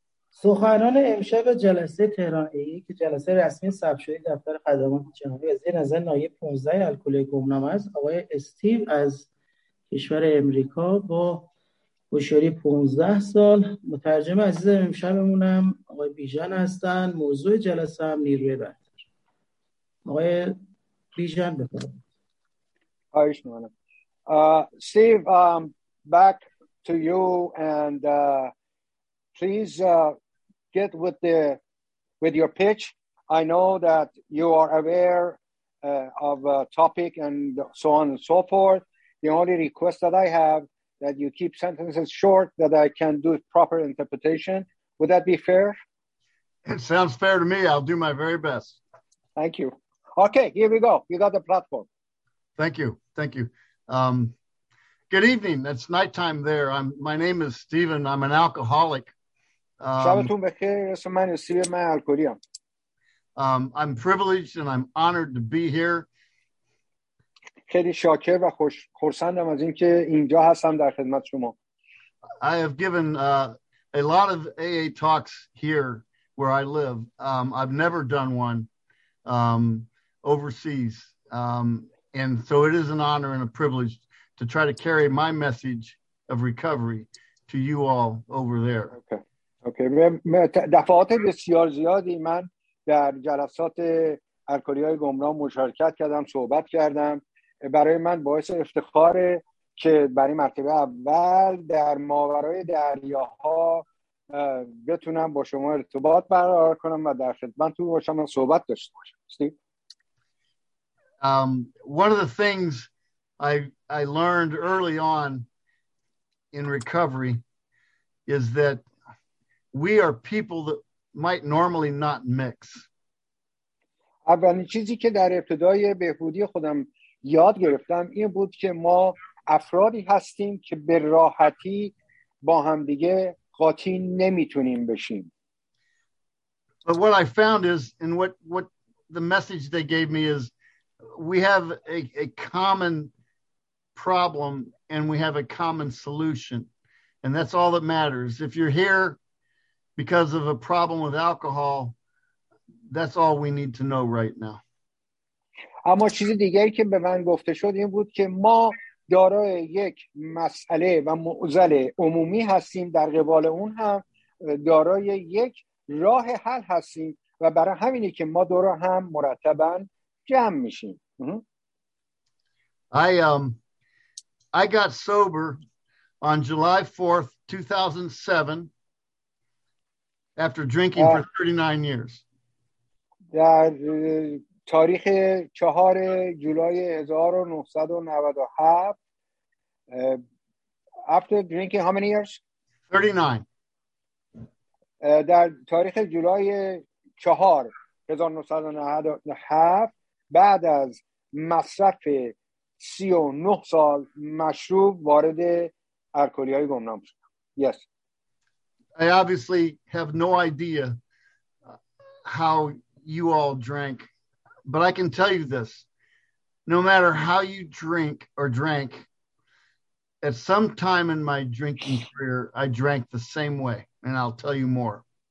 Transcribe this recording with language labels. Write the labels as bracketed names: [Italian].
[Persian] سخنران امشب جلسه تهران ای که جلسه رسمی ثبت شده دفتر خدمات جنوبی از نظر نایب 15 الکل گمنام است، آقای استیو از کشور امریکا با هوشیاری 15 سال. مترجم عزیز امشبمونم آقای بیژن هستند. موضوع جلسه هم نیروی بهتر. آقای بیژن بفرمایید. خواهش می‌کنم. [English] Steve, back to you and please get with the with your pitch. I know that you are aware of the topic and so on and so forth. The only request that I have that you keep sentences short that I can do proper interpretation. Would that be fair? It sounds fair to me. I'll do my very best. Thank you. Okay, here we go. You got the platform. Thank you. Thank you. Good evening. It's nighttime there. My name is Stephen. I'm an alcoholic. I'm privileged and I'm honored to be here. [Persian] خیلی شاکر و خرسندم از اینکه اینجا هستم در خدمت شما. [English] I have given a lot of AA talks here where I live. I've never done one overseas. And so it is an honor and a privilege to try to carry my message of recovery to you all over there. Okay. [Persian] دفعات بسیار زیادی من در جلسات الکلی‌های گمنام مشارکت کردم، صحبت کردم. برای من باعث افتخاره که برای مرتبه اول در ماورای دریاها بتونم با شما ارتباط برقرار کنم و در خدمتتون باشم و صحبت داشته باشم. [English] One of the things I learned early on in recovery is that we are people that might normally not mix. [Persian] اولین چیزی که در ابتدای بهبودی خودم یاد گرفتم این بود که ما افرادی هستیم که به راحتی با همدیگه قاطی نمیتونیم بشیم. [English] But what I found is, and what the message they gave me is, we have a common problem and we have a common solution, and that's all that matters. If you're here because of a problem with alcohol, that's all we need to know right now. [Persian] اما چیز دیگری که به من گفته شد این بود که ما دارای یک مسئله و معضل عمومی هستیم، در قبال اون هم دارای یک راه حل هستیم و برای همینه که ما دور هم مرتباً جمع میشیم. [English] I got sober on July 4th, 2007 after drinking for 39 years. [Persian] در تاریخ 4 جولای 1997 [English] after drinking how many years? 39. [Persian] در تاریخ جولای 4 1997 بعد از مصرف 39 سال مشروب وارد الکلی‌های گمنام شد. [English] Yes. I obviously have no idea how you all drank, but I can tell you this: no matter how you drink or drank, at some time in my drinking career, I drank the same way, and I'll tell you more.